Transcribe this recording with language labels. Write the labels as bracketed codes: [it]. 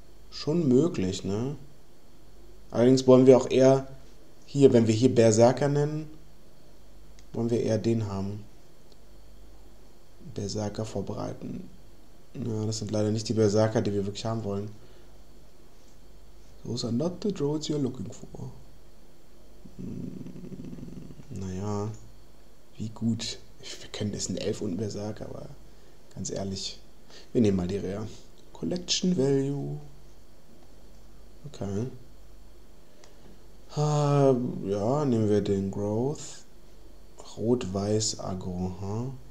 [de] Schon möglich, ne? Allerdings wollen wir auch eher hier, wenn wir hier Berserker nennen, wollen wir eher den haben. Berserker vorbereiten. Ja, das sind leider nicht die Berserker, die wir wirklich haben wollen. [en] Those are not the droids you're looking for. [de] Naja, wie gut. Wir können das ein Elf und Berserker, aber ganz ehrlich, wir nehmen mal die Rare. Collection Value. Okay. Ja, nehmen wir den Growth. Rot-Weiß-Aggro, huh?